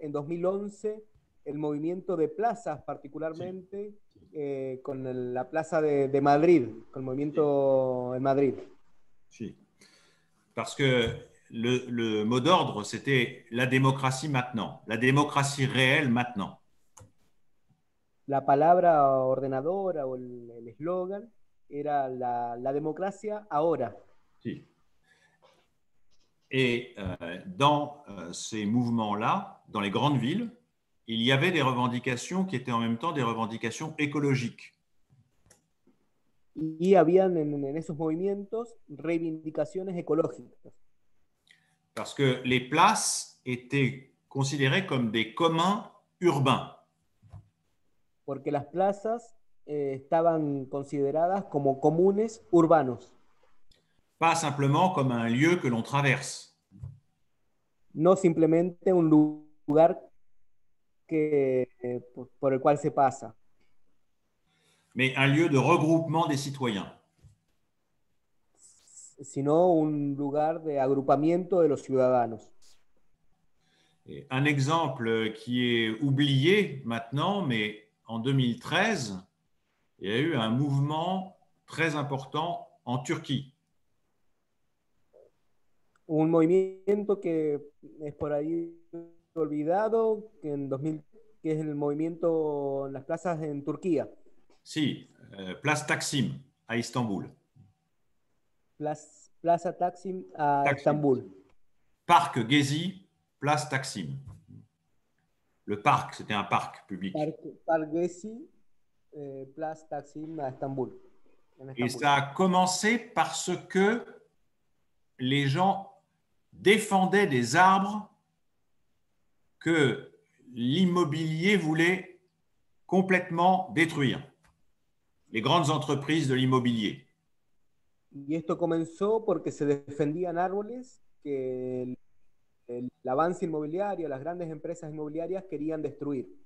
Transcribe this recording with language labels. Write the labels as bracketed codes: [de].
[es] En 2011 el movimiento de plazas, particularmente con la plaza de Madrid, con el movimiento en Madrid. Sí, [fr] parce que le mot d'ordre c'était la démocratie maintenant, la démocratie réelle maintenant. [es] La palabra ordenadora o el eslogan era la democracia ahora. Sí. [fr] Et dans ces mouvements-là, dans les grandes villes, il y avait des revendications qui étaient en même temps des revendications écologiques. [es] Y habían en esos movimientos reivindicaciones ecológicas. [fr] Parce que les places étaient considérées comme des communs urbains. [es] Porque las plazas estaban consideradas como comunes urbanos. [fr] Pas simplement comme un lieu que l'on traverse. [es] No simplemente un lugar que por el cual se pasa. [fr] Mais un lieu de regroupement des citoyens. [es] Sino un lugar de agrupamiento de los ciudadanos. [fr] Et un exemple qui est oublié maintenant, mais en 2013, il y a eu un mouvement très important en Turquie. [es] Un movimiento que es por ahí olvidado, que en 2000, que es el movimiento en las plazas en Turquía. Sí, [fr] Place Taksim à Istanbul. [es] Plaza Taksim à Istanbul. [fr] Parc Gezi, Place Taksim. Le parc, c'était un parc public. Parc Gezi. Place Taksim à Istanbul. Et ça a commencé parce que les gens défendaient des arbres que l'immobilier voulait complètement détruire. Les grandes entreprises de l'immobilier. [es] Y esto comenzó porque se defendían árboles que el avance inmobiliario, las grandes empresas inmobiliarias querían destruir.